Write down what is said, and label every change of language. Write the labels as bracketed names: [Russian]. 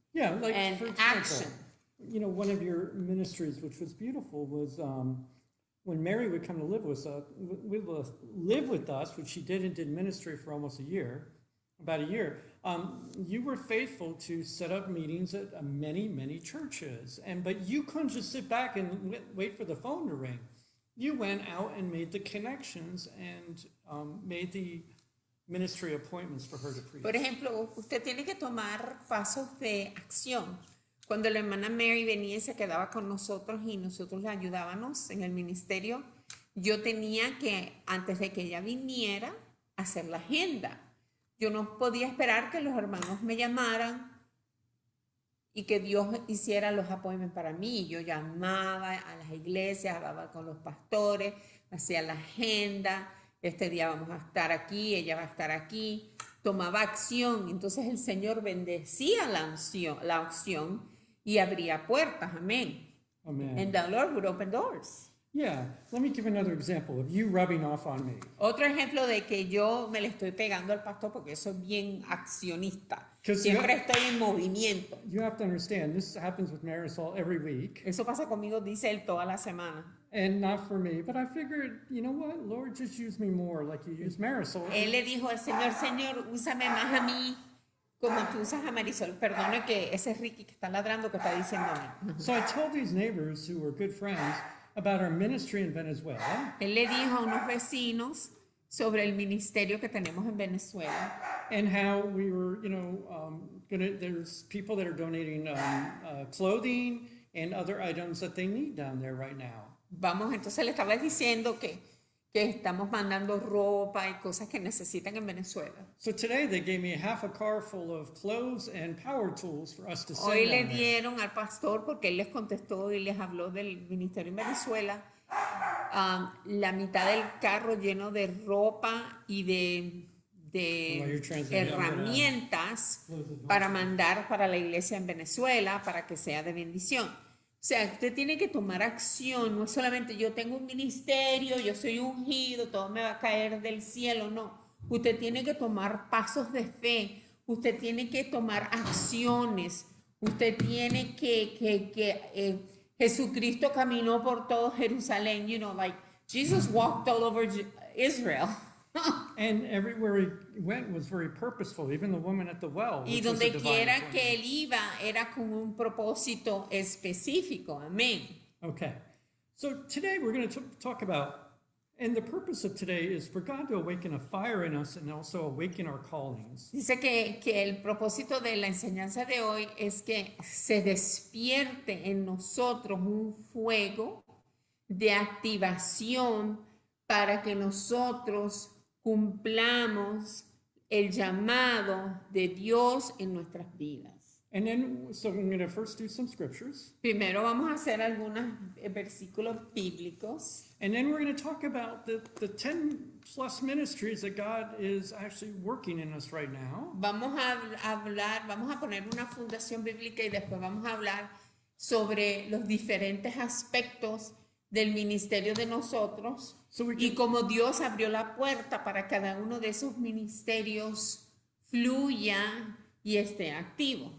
[English] Yeah, like and for example, action. You know, one of your ministries, which was beautiful, was when Mary would come to live with us, which she did and did ministry for almost a year, about a year. You were faithful to set up meetings at many, many churches, but you couldn't just sit back and wait for the phone to ring. You went out and made the connections and made the ministry appointments for her to preach. [Spanish] Por ejemplo, usted tiene que tomar pasos de acción. Cuando la hermana Mary venía y se quedaba con nosotros y nosotros la ayudábamos en el ministerio, yo tenía que, antes de que ella viniera, hacer la agenda. Yo no podía esperar que los hermanos me llamaran y que Dios hiciera los appointments para mí. Yo llamaba a las iglesias, hablaba con los pastores, hacía la agenda. Este día vamos a estar aquí, ella va a estar aquí. Tomaba acción. Entonces el Señor bendecía la acción y abría puertas. Amén. [English] Amen. And the Lord would open doors. Yeah, let me give another example of you rubbing off on me. [Spanish] Otro ejemplo de que yo me le estoy pegando al pastor porque soy bien accionista. Siempre estoy en movimiento. [English] You have to understand, this happens with Marisol every week. [Spanish] Eso pasa conmigo, dice él, toda la semana. [English] And not for me, but I figured, you know what, Lord, just use me more like you use Marisol. [Spanish] Él le dijo al Señor, Señor, úsame más a mí como tú usas a Marisol. Perdona que ese es Ricky que está ladrando, que está diciéndome. [English] So I told these neighbors who were good friends about our ministry in Venezuela. [Spanish] Él le dijo a unos vecinos sobre el ministerio que tenemos en Venezuela. [English] And how we were, you know, there's people that are donating clothing and other items that they need down there right now. [Spanish] Vamos, entonces le estaba diciendo que estamos mandando ropa y cosas que necesitan en Venezuela. [English] So today they gave me half a car full of clothes and power tools for us to send. [Spanish] Hoy le dieron al pastor, porque él les contestó y les habló del ministerio en Venezuela, la mitad del carro lleno de ropa y de herramientas para mandar para la iglesia en Venezuela para que sea de bendición. O sea, usted tiene que tomar acción, no es solamente yo tengo un ministerio, yo soy ungido, todo me va a caer del cielo, no. Usted tiene que tomar pasos de fe, usted tiene que tomar acciones, usted tiene que Jesucristo caminó por todo Jerusalén, [English] you know, like Jesus walked all over Israel. And everywhere he went was very purposeful, even the woman at the well. [Spanish] Y donde quiera que él iba, era con un propósito específico. Amén. [English] Okay. So today we're going to talk about, and the purpose of today is for God to awaken a fire in us and also awaken our callings. [Spanish] Dice que el propósito de la enseñanza de hoy es que se despierte en nosotros un fuego de activación para que nosotros cumplamos el llamado de Dios en nuestras vidas. [English] And then, so I'm going to first do some scriptures. [Spanish] Primero vamos a hacer algunos versículos bíblicos. [English] And then we're going to talk about the 10 plus ministries that God is actually working in us right now. [Spanish] Vamos a hablar, vamos a poner una fundación bíblica y después vamos a hablar sobre los diferentes aspectos del ministerio de nosotros. [English] So [Spanish] y como Dios abrió la puerta para cada uno de esos ministerios fluya y esté activo.